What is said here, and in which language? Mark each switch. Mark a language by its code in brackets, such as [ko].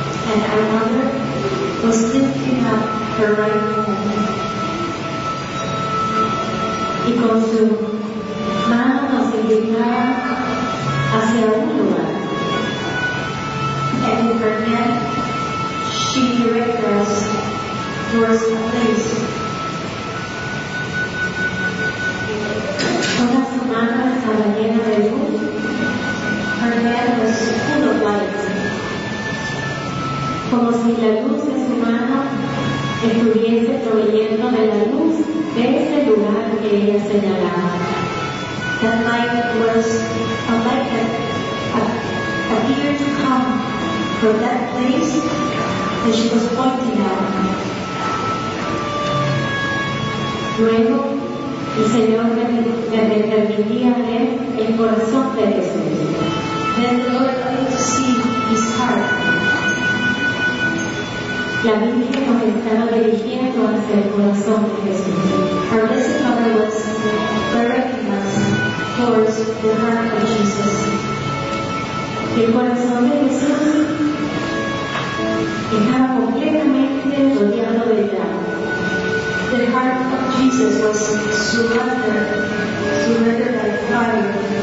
[en] And our mother was lifting up her right hand. [es] Y con su mano nos dirigía hacia un lugar. [en] And with her hand, she directed us towards a place. [es] Toda su mano estaba llena de luz. [en] Her hand was full of light. [es] Como si la luz de su mano estuviese proveniendo de la luz de ese lugar que ella señalaba. [en] That light was a light that appeared to come from that place that she was pointing out. [es] Luego, el Señor me permitía ver el corazón de Jesús. [en] Then the Lord allowed me to see his heart. [es] La Virgen nos estaba dirigiendo hacia el corazón de Jesús. [en] Her Blessed Mother was directing us towards the heart of Jesus. [es] El corazón de Jesús estaba completamente rodeado de llamas. [en] The heart of Jesus was surrounded by fire.